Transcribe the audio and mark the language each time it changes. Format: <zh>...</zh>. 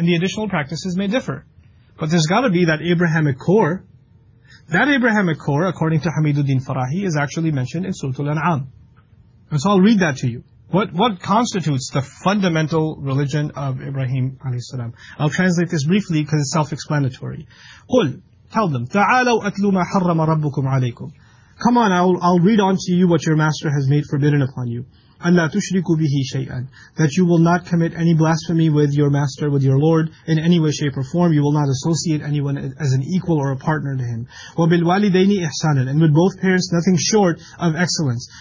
<en>And the additional practices may differ. But there's got to be that Abrahamic core. That Abrahamic core, according to Hamiduddin Farahi, is actually mentioned in Surah Al-An'am. And so I'll read that to you. What constitutes the fundamental religion of Ibrahim a.s.? I'll translate this briefly because it's self-explanatory.</en> <ar>قُلْ,</ar> <en>tell them,</en> <ar>تَعَالَوْ أَتْلُوا مَا حَرَّمَ رَبُّكُمْ عَلَيْكُمْ.</ar> <en>Come on, I'll read on to you what your master has made forbidden upon you.</en> <ar>أَلَّا تُشْرِكُ بِهِ شَيْئًا.</ar> <en>That you will not commit any blasphemy with your master, with your Lord, in any way, shape, or form. You will not associate anyone as an equal or a partner to him.</en> <ar>وَبِالْوَالِدَيْنِ إِحْسَانًا.</ar> <en>And with both parents, nothing short of excellence.</en>